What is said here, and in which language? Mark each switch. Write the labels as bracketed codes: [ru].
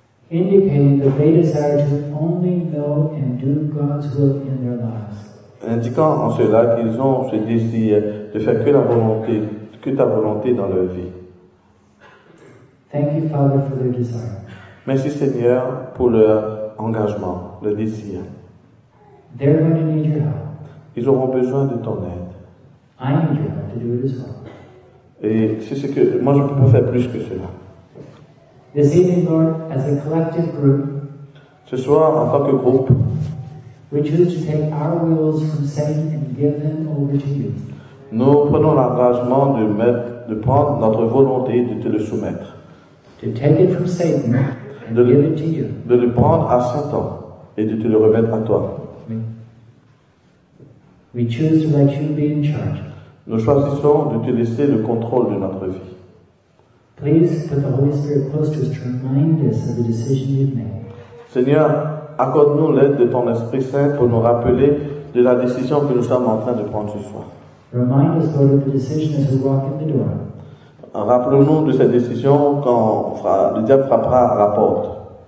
[en] Indicating that they desire to only know and do God's will in their lives. [fr] Indiquant en cela qu'ils ont ce désir de faire que ta volonté dans leur vie. [en] Thank you, Father, for their desire. [fr] Merci Seigneur pour leur engagement, leur désir. [en] They're going to need your help. [fr] Ils auront besoin de ton aide. [en] I need your help to do it as well. [fr] Et c'est ce que moi je ne peux pas faire plus que cela. [en] This evening, Lord, as a collective group, [fr] ce soir, en tant que groupe, [en] we choose to take our wills from Satan and give them over to you. [fr] Nous prenons l'engagement de prendre notre volonté et de te le soumettre. [en] To take it from Satan and give it to you. [fr] De le prendre à Satan et de te le remettre à toi. [en] We choose to let you be in charge. [fr] Nous choisissons de te laisser le contrôle de notre vie. [en] Please put the Holy Spirit close to us to remind us of the decision you've made. [fr] Seigneur, accorde-nous l'aide de ton Esprit Saint pour nous rappeler de la décision que nous sommes en train de prendre ce soir. [en] Remind us, Lord, of the decision as we walk in the door. [fr] Rappelons-nous de cette décision quand le diable frappera à la porte.